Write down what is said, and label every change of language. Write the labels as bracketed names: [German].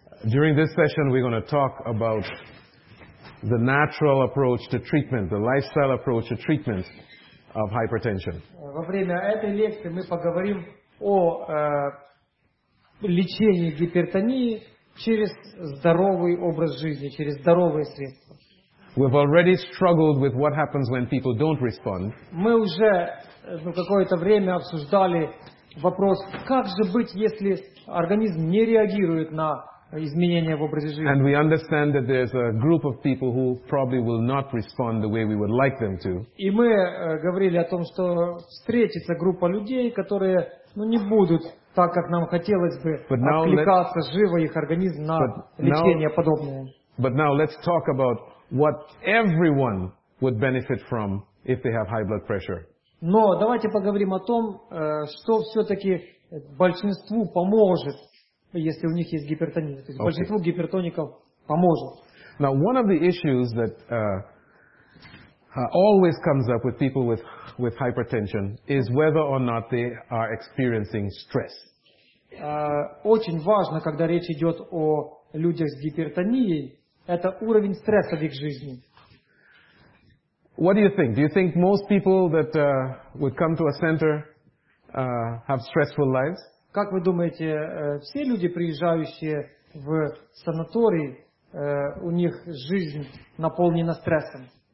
[English] During this session, we're going to talk about the natural approach to treatment, the lifestyle approach to treatment of hypertension. [Russian] Во время этой лекции мы поговорим о лечение гипертонии через здоровый образ жизни, через здоровые средства. [English] We've already struggled with what happens when people don't respond. [Russian] Мы уже какое-то время обсуждали вопрос, как же быть, если организм не реагирует на изменения в образе жизни. [English] And we understand that there's a group of people who probably will not respond the way we would like them to. [Russian] И мы говорили о том, что встретится группа людей, которые не будут так, как нам хотелось бы откликаться живо их организм на лечение подобное. [English] But now let's talk about what everyone would benefit from if they have high blood pressure. [Russian] Но давайте поговорим о том, что все-таки большинству поможет, если у них есть гипертония. То есть okay. Большинству гипертоников поможет. [English] Now one of the issues that always comes up with people with hypertension is whether or not they are experiencing stress. [Russian] Очень важно, когда речь идет о людях с гипертонией, это уровень стресса в их жизни. [English] What do you think? Do you think most people that would come to a center have stressful lives? [Russian] Как вы думаете, все люди, приезжающие в санаторий, у них жизнь наполнена стрессом?